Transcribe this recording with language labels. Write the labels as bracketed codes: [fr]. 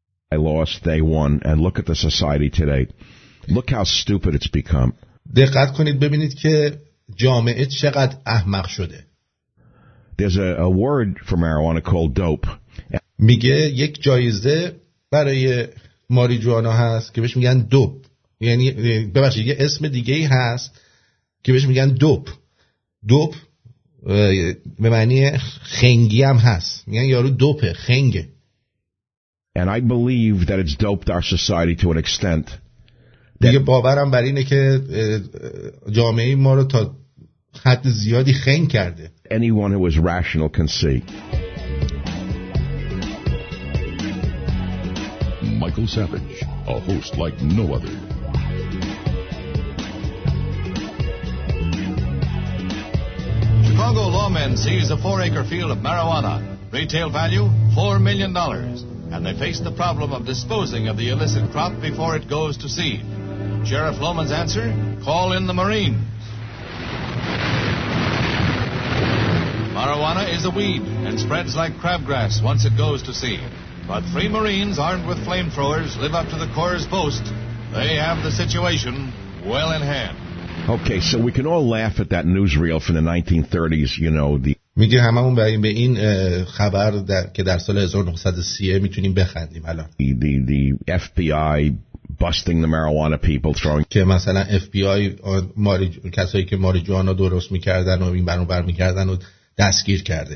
[en] I lost, they won, and look at the society today. Look how stupid it's become. [fa] دقت کنید ببینید که جامعه چقدر احمق شده. [en] There's a word for marijuana called dope. [fa] میگه یک جایزه برای ماریجوانا هست که بهش میگن دوپ. یعنی ببخشید یه اسم دیگه ای هست که بهش میگن دوپ. دوپ به معنی خنگی هم هست. میگن یارو دوپه، خنگه. [en] And I believe that it's doped our society to an extent. [fa] دیگه باورم بر اینه که جامعه ما رو تا حد زیادی خنگ کرده. [en] Anyone who is rational can see. Michael Savage, a host like no other. Chicago lawmen seize a 4-acre field of marijuana. Retail value, $4 million. And they face the problem of disposing of the illicit crop before it goes to seed. Sheriff Lohman's answer, call in the Marines. Marijuana is a weed and spreads like crabgrass once it goes to seed. But three Marines armed with flamethrowers live up to the Corps' boast. They have the situation well in hand. Okay, so we can all laugh at that newsreel from the 1930s, you know, the... [fa] میگه هممون به این خبر که در سال 1930 میتونیم بخندیم الان. [en] The FBI busting the marijuana people throwing... [fa] که مثلا FBI کسایی که ماریجوانا درست میکردن و این برانبر میکردن و دستگیر کرده.